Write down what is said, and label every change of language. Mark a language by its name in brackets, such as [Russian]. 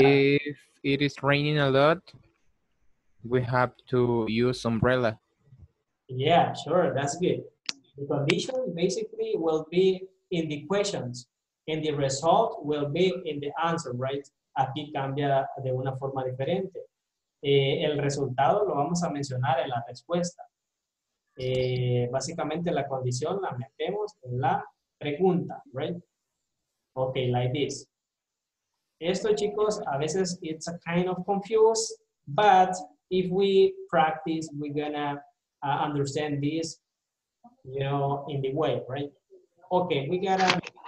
[English] If it is raining a lot, we have to use umbrella. Yeah, sure, that's good. The condition basically will be in the questions, and the result will be in the answer, right? [Spanish] Aquí cambia de una forma diferente. El resultado lo vamos a mencionar en la respuesta. Básicamente la condición la metemos en la pregunta, right? [English] Okay, like this. [Spanish] Esto, chicos, a veces [English] it's a kind of confused, but if we practice, we're gonna understand this, you know, in the way, right? Okay, we gotta...